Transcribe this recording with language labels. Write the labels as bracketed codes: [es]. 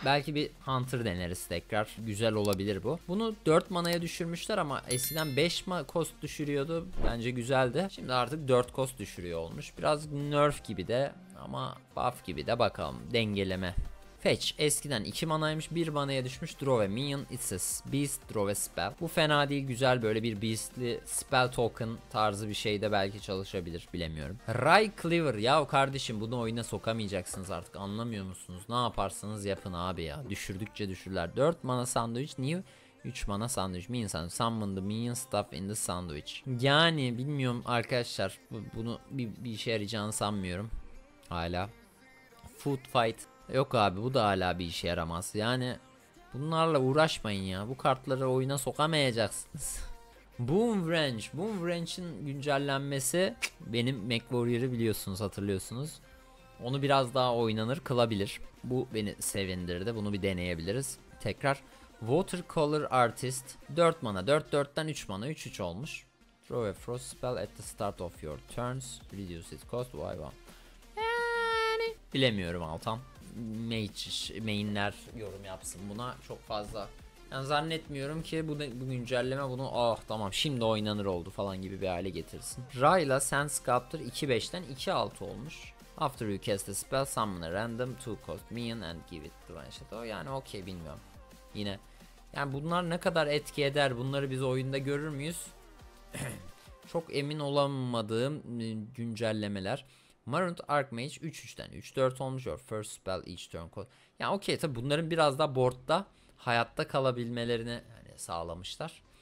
[tr] Belki bir Hunter deneriz tekrar. Güzel olabilir bu. Bunu 4 manaya düşürmüşler ama eskiden 5 cost düşürüyordu. Bence güzeldi. Şimdi artık 4 cost düşürüyor olmuş. Biraz nerf gibi de ama buff gibi de bakalım. Dengeleme. Fetch eskiden 2 manaymış, 1 manaya düşmüş. [en] Draw a minion, it's a beast, draw a spell. [tr] Bu fena değil, güzel böyle bir beastli spell token tarzı bir şey de belki çalışabilir, bilemiyorum. Rai Cleaver, yahu kardeşim bunu oyuna sokamayacaksınız artık, anlamıyor musunuz? Ne yaparsanız yapın abi ya, düşürdükçe düşürler. 4 mana sandviç, new 3 mana sandviç, minion sandviç. [en] Summon the minion stuff in the sandwich. [tr] Yani bilmiyorum arkadaşlar, bunu bir işe yarayacağını sanmıyorum hala. Food fight. Yok abi bu da hala bir işe yaramaz. Yani bunlarla uğraşmayın ya. Bu kartları oyuna sokamayacaksınız. Boomwrench. Boomwrench'in güncellenmesi benim MechWarrior'ı biliyorsunuz, hatırlıyorsunuz. Onu biraz daha oynanır kılabilir. Bu beni sevindirdi. Bunu bir deneyebiliriz. Tekrar Watercolor Artist. 4 mana 4-4'ten 3 mana 3-3 olmuş. [en] Draw a frost spell at the start of your turns. Reduce its cost by 1. [tr] Yani bilemiyorum Altan. Mainler yorum yapsın buna çok fazla. Yani zannetmiyorum ki bu güncelleme bunu ah tamam şimdi oynanır oldu falan gibi bir hale getirsin. Rayla Sand Sculptor 2-5'ten 2-6 olmuş. [en] After you cast a spell summon a random 2 cost minion and give it to one shadow. [tr] Yani okey bilmiyorum. Yine yani bunlar ne kadar etki eder, bunları biz oyunda görür müyüz? Çok emin olamadığım güncellemeler. Marunt Archmage 3-3'ten 3-4 olmuş. [en] Your first spell each turn cost. [tr] Yani okey tabi bunların biraz daha board'da hayatta kalabilmelerini yani sağlamışlar.